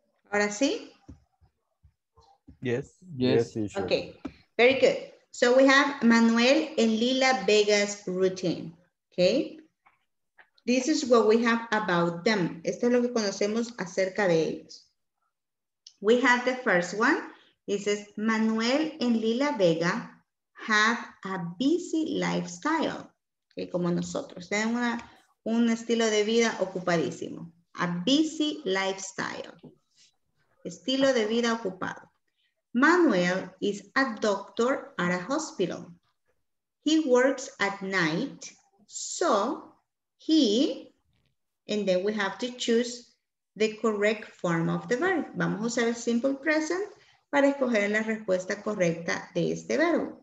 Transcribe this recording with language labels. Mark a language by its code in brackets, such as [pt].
[es] Ahora sí. [en] Yes, yes. Okay, very good. So we have Manuel and Lila Vega's routine. Okay. This is what we have about them. [es] Esto es lo que conocemos acerca de ellos. [en] We have the first one. It says Manuel and Lila Vega have a busy lifestyle. [es] Okay, como nosotros. Tienen un estilo de vida ocupadísimo. [en] A busy lifestyle. [es] Estilo de vida ocupado. [en] Manuel is a doctor at a hospital. He works at night, so he, and then we have to choose the correct form of the verb. [es] Vamos a usar el simple present para escoger la respuesta correcta de este verbo.